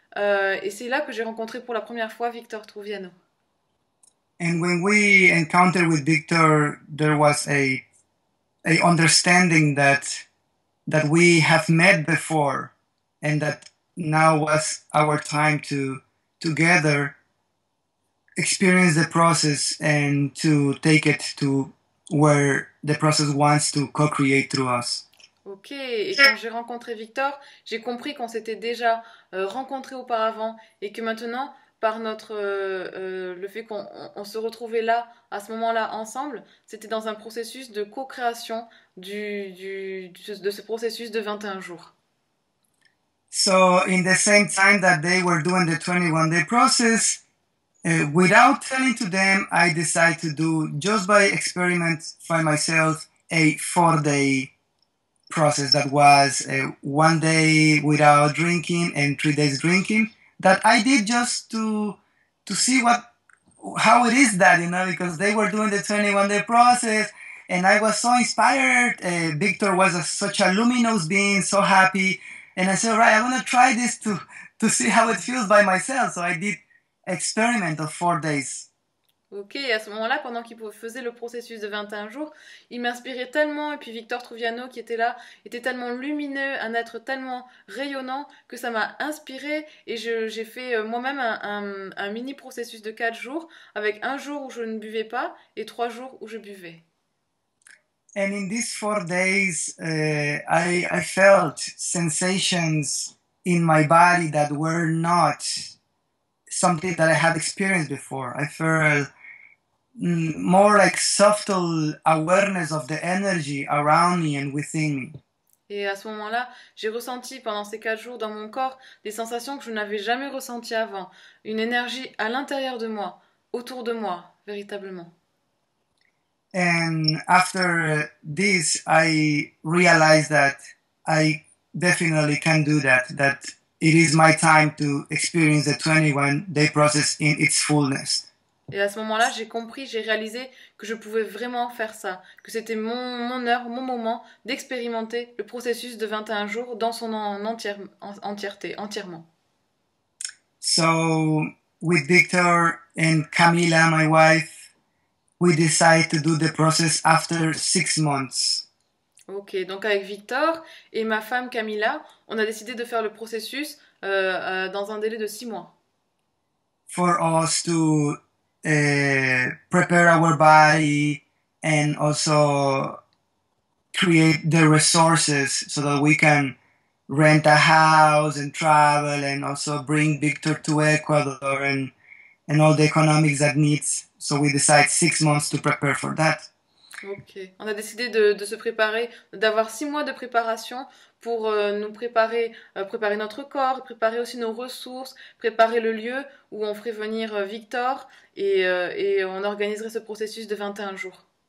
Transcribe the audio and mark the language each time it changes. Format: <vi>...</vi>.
<fr>Et c'est là que j'ai rencontré pour la première fois Victor Trubiano.</fr> <en>And when we encountered with Victor, there was a understanding that we have met before, and that now was our time to together experience the process and to take it to where the process wants to co-create through us.</en> <fr>Ok, et quand j'ai rencontré Victor, j'ai compris qu'on s'était déjà rencontré auparavant et que maintenant, par le fait qu'on se retrouvait là, à ce moment-là, ensemble, c'était dans un processus de co-création de ce processus de 21 jours.</fr> <en>So, in the same time that they were doing the 21-day process, without telling to them, I decided to do, just by experiment by myself, a 4-day process that was one day without drinking and 3 days drinking that I did just to see how it is that, because they were doing the 21-day process and I was so inspired. Victor was such a luminous being, so happy. And I said, all right, I want to try this to see how it feels by myself. So I did experiment of 4 days.</en> <fr>Ok, à ce moment-là, pendant qu'il faisait le processus de 21 jours, il m'inspirait tellement, et puis Victor Trujano, qui était là, était tellement lumineux, un être tellement rayonnant, que ça m'a inspiré, et j'ai fait moi-même un mini processus de 4 jours, avec un jour où je ne buvais pas, et 3 jours où je buvais.</fr> <en>And in these 4 days, I felt sensations in my body that were not something that I had experienced before. I felt more like subtle awareness of the energy around me and within me.</en> <fr>Et à ce moment-là, j'ai ressenti pendant ces 4 jours dans mon corps des sensations que je n'avais jamais ressenties avant, une énergie à l'intérieur de moi, autour de moi, véritablement.</fr> <en>And after this, I realized that I definitely can do that, that it is my time to experience the 21-day process in its fullness.</en> <fr>Et à ce moment-là, j'ai compris, j'ai réalisé que je pouvais vraiment faire ça, que c'était mon heure, mon moment d'expérimenter le processus de 21 jours dans son entièreté, entièrement.</fr> <en>So, with Victor and Camila, my wife, we decide to do the process after 6 months.</en> <fr>Ok, donc avec Victor et ma femme Camilla, on a décidé de faire le processus dans un délai de 6 mois.</fr> <en>For us to prepare our body and also create the resources so that we can rent a house and travel and also bring Victor to Ecuador and all the economics that needs. So we decide 6 months to prepare for that.</en> <fr>Ok, on a décidé de se préparer, d'avoir 6 mois de préparation pour nous préparer, préparer notre corps, préparer aussi nos ressources, préparer le lieu où on ferait venir Victor et on organiserait ce processus de 21 jours.</fr>